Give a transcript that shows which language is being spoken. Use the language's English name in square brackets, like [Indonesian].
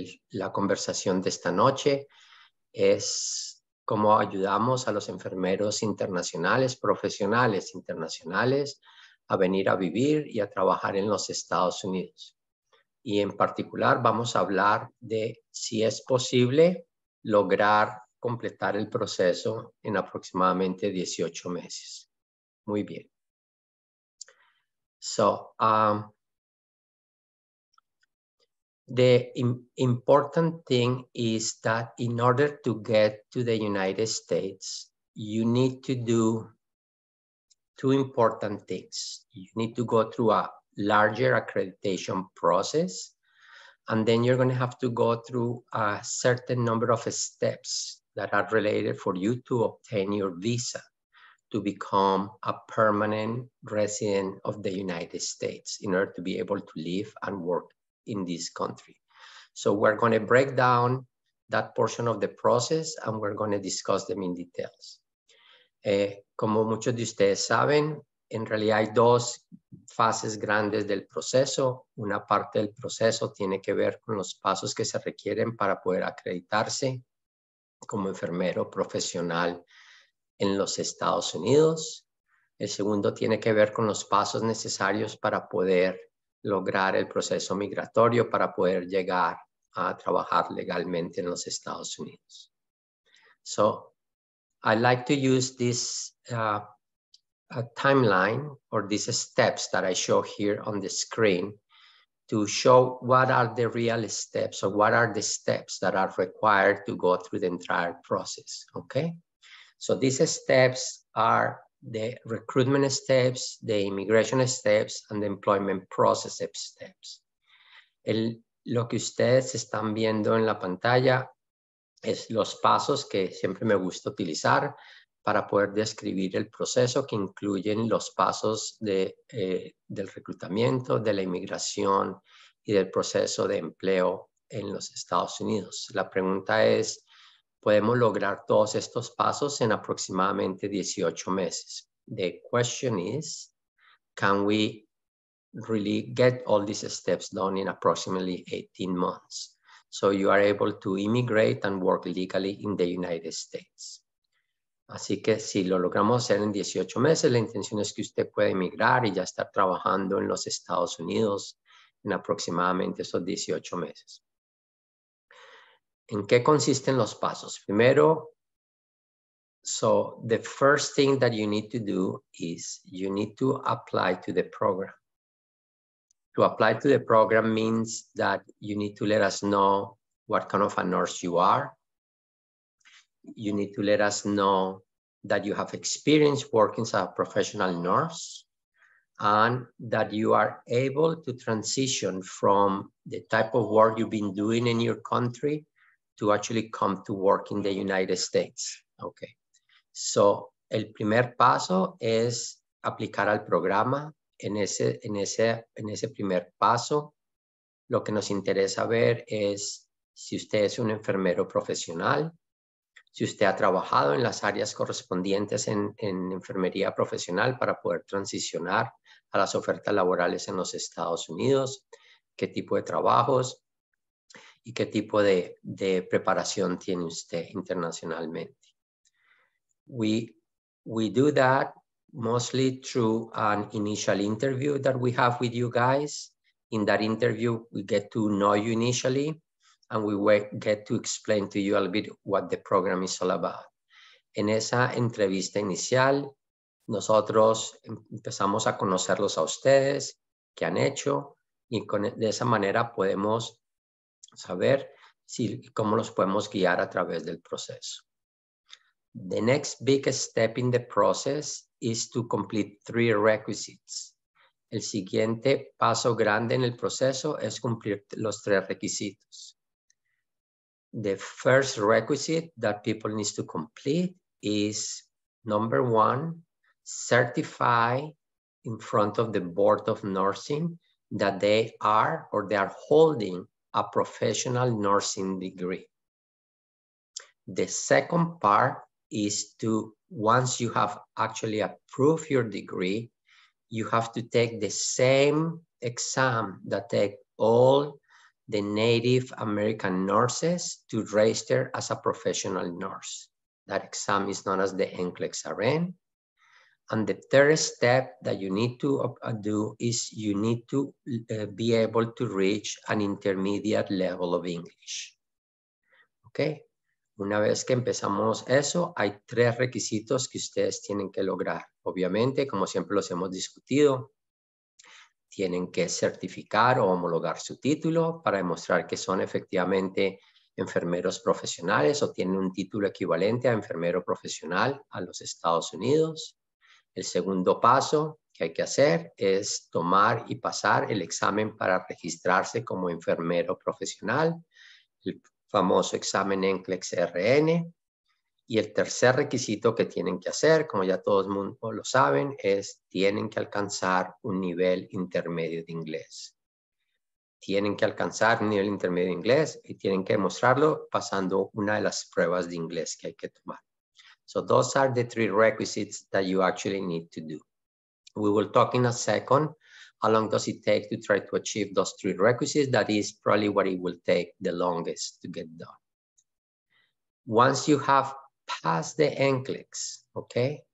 [Spanish] La conversación de esta noche es cómo ayudamos a los enfermeros internacionales, profesionales internacionales, a venir a vivir y a trabajar en los Estados Unidos. Y en particular vamos a hablar de si es posible lograr completar el proceso en aproximadamente 18 meses. Muy bien. [English] So the important thing is that in order to get to the United States, you need to do two important things. You need to go through a larger accreditation process, and then you're going to have to go through a certain number of steps that are related for you to obtain your visa to become a permanent resident of the United States in order to be able to live and work in this country. So we're going to break down that portion of the process and we're going to discuss them in details. [Spanish] Como muchos de ustedes saben, en realidad hay dos fases grandes del proceso. Una parte del proceso tiene que ver con los pasos que se requieren para poder acreditarse como enfermero profesional en los Estados Unidos. El segundo tiene que ver con los pasos necesarios para poder lograr el proceso migratorio para poder llegar a trabajar legalmente en los Estados Unidos. [English] So, I like to use this timeline or these steps that I show here on the screen to show what are the real steps or what are the steps that are required to go through the entire process, okay? So these steps are the recruitment steps, the immigration steps, and the employment process steps. [Spanish] Lo que ustedes están viendo en la pantalla es los pasos que siempre me gusta utilizar para poder describir el proceso que incluyen los pasos del reclutamiento, de la inmigración y del proceso de empleo en los Estados Unidos. La pregunta es, ¿podemos lograr todos estos pasos en aproximadamente 18 meses? [English] The question is, can we really get all these steps done in approximately 18 months? So you are able to immigrate and work legally in the United States. [Spanish] Así que si lo logramos hacer en 18 meses, la intención es que usted pueda emigrar y ya estar trabajando en los Estados Unidos en aproximadamente esos 18 meses. ¿En qué consisten los pasos? Primero, [English] so the first thing that you need to do is you need to apply to the program. To apply to the program means that you need to let us know what kind of a nurse you are. You need to let us know that you have experience working as a professional nurse and that you are able to transition from the type of work you've been doing in your country to actually come to work in the United States, okay. [Spanish] So, el primer paso es aplicar al programa. En ese primer paso, lo que nos interesa ver es si usted es un enfermero profesional, si usted ha trabajado en las áreas correspondientes en enfermería profesional para poder transicionar a las ofertas laborales en los Estados Unidos, qué tipo de trabajos, y qué tipo de preparación tiene usted internacionalmente. [English] We do that mostly through an initial interview that we have with you guys. In that interview, we get to know you initially. and we will get to explain to you a little bit what the program is all about. [Spanish] En esa entrevista inicial, nosotros empezamos a conocerlos a ustedes, qué han hecho, y con, de esa manera podemos saber si, cómo los podemos guiar a través del proceso. [English] The next big step in the process is to complete 3 requisites. [Spanish] El siguiente paso grande en el proceso es cumplir los 3 requisitos. [English] The first requisite that people need to complete is number 1, certify in front of the Board of Nursing that they are or they are holding a professional nursing degree. The second part is to, once you have actually approved your degree, you have to take the same exam that take all the Native American nurses to register as a professional nurse. That exam is known as the NCLEX-RN. And the third step that you need to do is you need to be able to reach an intermediate level of English. Okay? [Spanish] Una vez que empezamos eso, hay 3 requisitos que ustedes tienen que lograr. Obviamente, como siempre los hemos discutido, tienen que certificar o homologar su título para demostrar que son efectivamente enfermeros profesionales o tienen un título equivalente a enfermero profesional a los Estados Unidos. El segundo paso que hay que hacer es tomar y pasar el examen para registrarse como enfermero profesional. El famoso examen NCLEX-RN. Y el tercer requisito que tienen que hacer, como ya todo el mundo lo saben, es tienen que alcanzar un nivel intermedio de inglés. Tienen que alcanzar un nivel intermedio de inglés y tienen que demostrarlo pasando una de las pruebas de inglés que hay que tomar. [English] So those are the 3 requisites that you actually need to do. We will talk in a second. How long does it take to try to achieve those 3 requisites? That is probably what it will take the longest to get done. Once you have passed the NCLEX, okay?